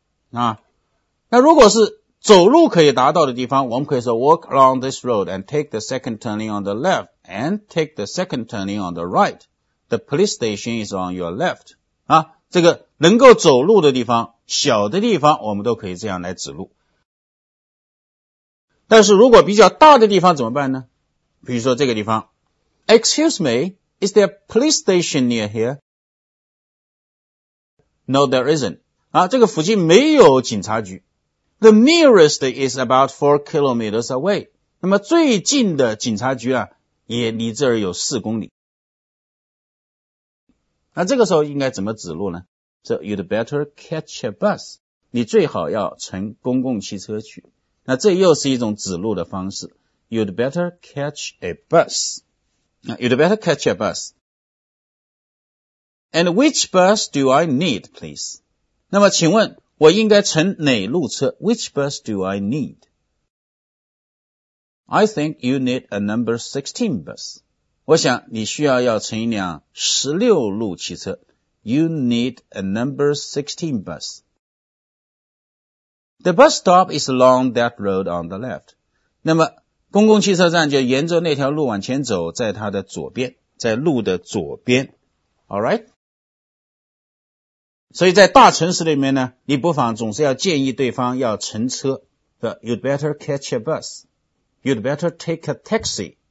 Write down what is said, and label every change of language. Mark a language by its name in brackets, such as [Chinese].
[Chinese] 啊，那如果是走路可以达到的地方，我们可以说 [English] walk along this road and take the second turning on the left and take the second turning on the right. The police station is on your left. [Chinese] 啊，这个能够走路的地方，小的地方，我们都可以这样来指路。但是如果比较大的地方怎么办呢？比如说这个地方， [English] Excuse me, is there a police station near here? No, there isn't. [Chinese] 啊，这个附近没有警察局。 [English] The nearest is about 4 kilometers away. [Chinese] 那么最近的警察局啊，也离这儿有4公里。那这个时候应该怎么指路呢？ [English] So you'd better catch a bus. [Chinese] 你最好要乘公共汽车去。那这又是一种指路的方式。 [English] You'd better catch a bus. You'd better catch a bus. And which bus do I need, please? [Chinese] 那么请问我应该乘哪路车？ [English] Which bus do I need? I think you need a number 16 bus. [Chinese] 我想你需要要乘一辆16路汽车。 [English] You need a number 16 bus. The bus stop is along that road on the left. [Chinese] 那么公共汽车站就沿着那条路往前走，在它的左边，在路的左边。 [English] All right? [Chinese] 所以在大城市里面呢，你不妨总是要建议对方要乘车。 [English] So, you'd better catch a bus. You'd better take a taxi.